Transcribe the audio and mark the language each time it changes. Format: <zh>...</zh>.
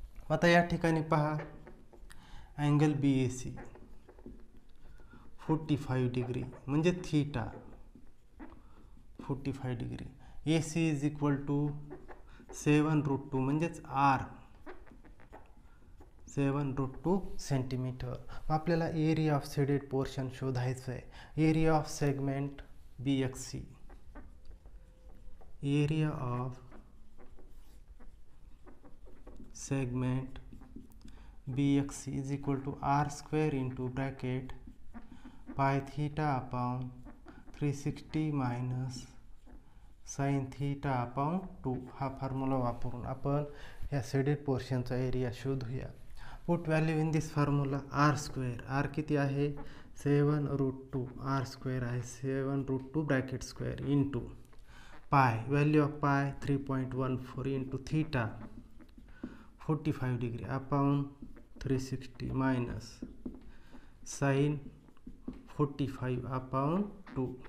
<mr>आता या ठिकाणी पहा, अँगल बी एस सी 45 डिग्री म्हणजे theta 45 degree,</mr> <en>A C is equal to 7√2</en> <mr>म्हणजेच आर 7√2 सेंटीमीटर. मग आपल्याला</mr> <en>area of shaded portion</en> <mr>शोधायचं आहे.</mr> <en>Area of segment B X C, area of segment B X C is equal to R square into bracket pi theta upon 360 minus sine theta upon 2.</en> <mr>हा formula वापरून आपण ह्या shaded पोर्शनचा area शोधूया.</mr> <en>Put value in this formula R square.</en> <mr>R किती आहे?</mr> <en>7√2. R square आहे 7√2 bracket square into pi, value of pi 3.14 into theta 45 degree upon 360 minus sine 45 upon 2.</en>